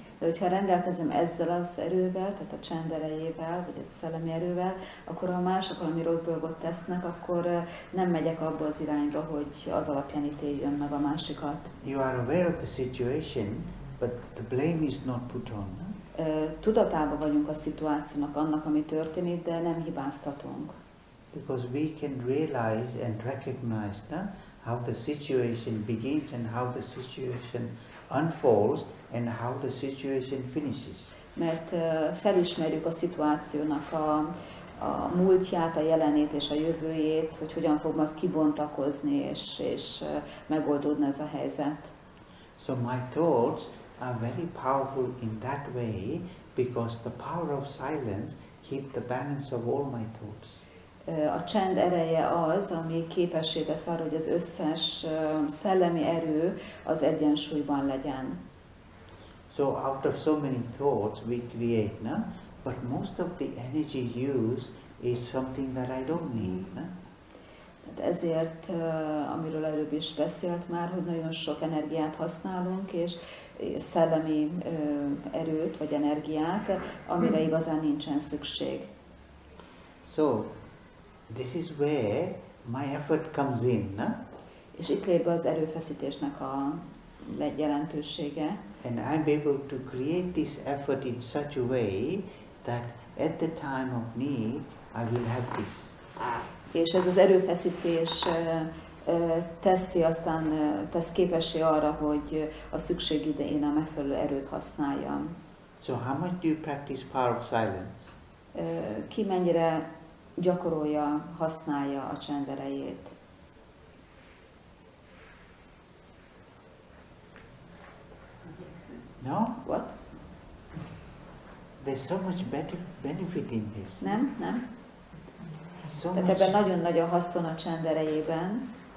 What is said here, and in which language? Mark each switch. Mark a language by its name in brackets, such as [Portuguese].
[Hungarian] De hogyha rendelkezem ezzel az erővel, tehát a csend erejével, vagy a szellemi erővel, akkor ha mások valami rossz dolgot tesznek, akkor nem megyek abba az irányba, hogy az alapján ítéljön meg a másikat. [English] You are aware of the situation, but the blame is not put on. [Hungarian] Tudatában vagyunk a szituációnak, annak, ami történik, de nem hibáztatunk. [English] Because we can realize and recognize, no? How the situation begins and how the situation unfolds and how the situation finishes. [Hungarian] Mert felismerjük a szituációnak a múltját, a jelenét és a jövőjét, hogy hogyan fog majd kibontakozni és megoldódni ez a helyzet. [English] So my thoughts are very powerful in that way because the power of silence keep the balance of all my thoughts. [Hungarian] A csend ereje az, ami képessé tesz arra, hogy az összes szellemi erő az egyensúlyban legyen. [English] So out of so many thoughts we create, no? But most of the energy used is something that I don't need, no? [Hungarian] Tehát ezért, amiről előbb is beszélt már, hogy nagyon sok energiát használunk, és szellemi erőt, vagy energiát, amire igazán nincsen szükség. [English] So, this is where my effort comes in, no? [Hungarian] És itt lép be az erőfeszítésnek a jelentősége. [English] And I'm able to create this effort in such a way that at the time of need I will have this. [Hungarian] És ez az erőfeszítés teszi aztán tesz képessé arra, hogy a szükség idején a megfelelő erőt használjam. [English] So how much do you practice power of silence? [Hungarian] Ki mennyire gyakorolja, használja a csend erejét. [English] No? What? There's so much benefit in this. [Hungarian] Nem, nem. [English] So [Hungarian] tehát [English] much... [Hungarian] ebben nagyon nagy a haszon a csend erejében.